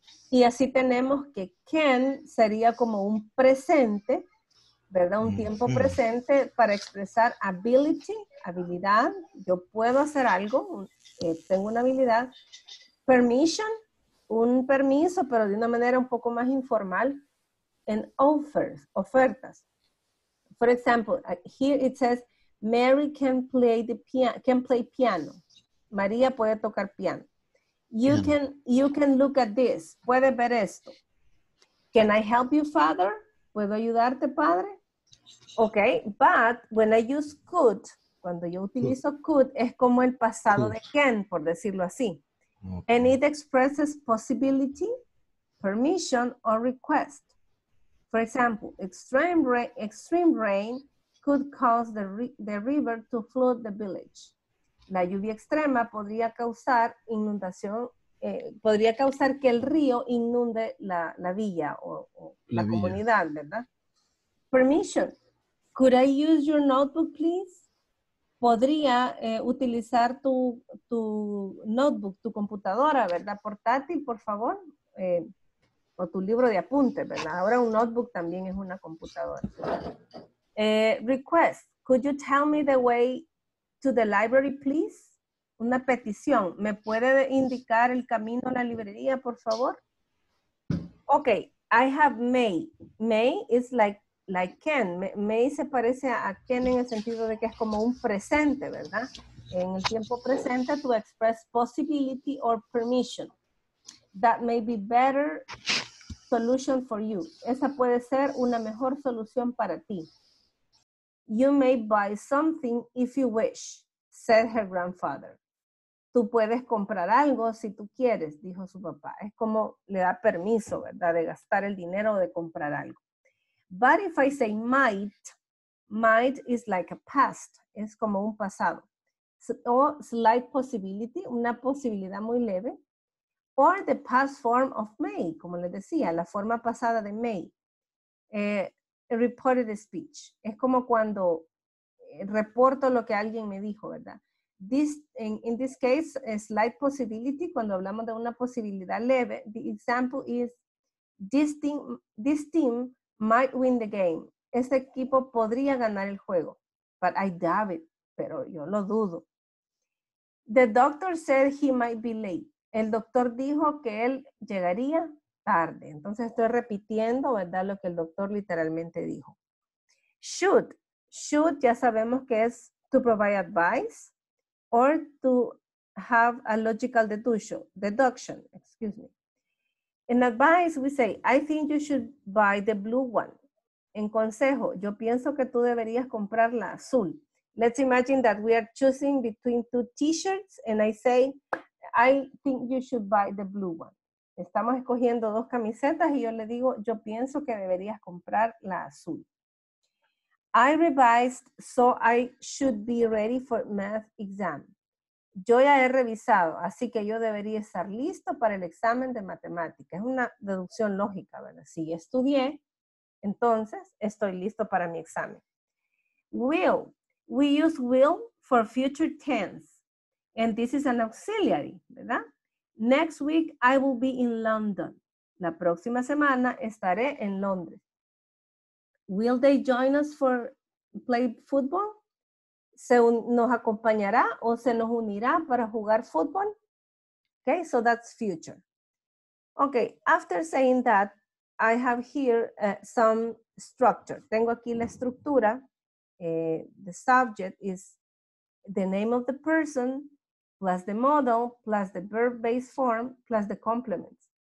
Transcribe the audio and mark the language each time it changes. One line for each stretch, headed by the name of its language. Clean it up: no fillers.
Spanish: Y así tenemos que can sería como un presente, ¿verdad? Un tiempo presente para expresar ability, habilidad. Yo puedo hacer algo, tengo una habilidad. Permission, un permiso, pero de una manera un poco más informal.
English: And offers, ofertas. For example, here it says, Mary can play the piano.
Spanish: María puede tocar piano.
English: You can look at this.
Spanish: Puede ver esto.
English: Can I help you, father?
Spanish: ¿Puedo ayudarte, padre?
English: Okay, but when I use could,
Spanish: cuando yo utilizo could, es como el pasado de can, por decirlo así. Okay.
English: And it expresses possibility, permission, or request. For example, extreme rain could cause the river to flood the village.
Spanish: La lluvia extrema podría causar inundación, podría causar que el río inunde la villa o la comunidad, ¿verdad?
English: Permission. Could I use your notebook, please?
Spanish: Podría utilizar tu notebook, tu computadora, ¿verdad? Portátil, por favor. O tu libro de apuntes, ¿verdad? Ahora un notebook también es una computadora. Request.
English: Could you tell me the way to the library, please?
Spanish: Una petición. ¿Me puede indicar el camino a la librería, por favor? Okay.
English: I have May. May is like can.
Spanish: May se parece a can en el sentido de que es como un presente, ¿verdad? En el tiempo presente,
English: to express possibility or permission. That may be better solution for you.
Spanish: Esa puede ser una mejor solución para ti.
English: You may buy something if you wish, said her grandfather.
Spanish: Tú puedes comprar algo si tú quieres, dijo su papá. Es como le da permiso, ¿verdad? De gastar el dinero o de comprar algo.
English: But if I say might is like a past.
Spanish: Es como un pasado. O
English: slight possibility,
Spanish: una posibilidad muy leve.
English: Or the past form of may,
Spanish: como les decía, la forma pasada de may.
English: Reported speech.
Spanish: Es como cuando reporto lo que alguien me dijo, ¿verdad?
English: In this case, a slight possibility,
Spanish: cuando hablamos de una posibilidad leve.
English: The example is this team might win the game.
Spanish: Este equipo podría ganar el juego.
English: But I doubt it.
Spanish: Pero yo lo dudo.
English: The doctor said he might be late.
Spanish: El doctor dijo que él llegaría tarde. Entonces estoy repitiendo, ¿verdad? Lo que el doctor literalmente dijo. Should. Should ya sabemos que es
English: to provide advice or to have a logical deduction. Excuse me. In advice, we say, I think you should buy the blue one.
Spanish: En consejo, yo pienso que tú deberías comprar la azul.
English: Let's imagine that we are choosing between two t-shirts and I say, I think you should buy the blue one.
Spanish: Estamos escogiendo dos camisetas y yo le digo, yo pienso que deberías comprar la azul.
English: I revised so I should be ready for math exam.
Spanish: Yo ya he revisado, así que yo debería estar listo para el examen de matemática. Es una deducción lógica, ¿verdad? Si estudié, entonces estoy listo para mi examen.
English: Will. We use will for future tense. And this is an auxiliary, ¿verdad? Next week I will be in London.
Spanish: La próxima semana estaré en Londres.
English: Will they join us for play football?
Spanish: ¿Nos acompañará o se nos unirá para jugar fútbol?
English: Okay, so that's future. Okay, after saying that, I have here some structure.
Spanish: Tengo aquí la estructura.
English: The subject is the name of the person plus the model plus the verb-based form plus the complements.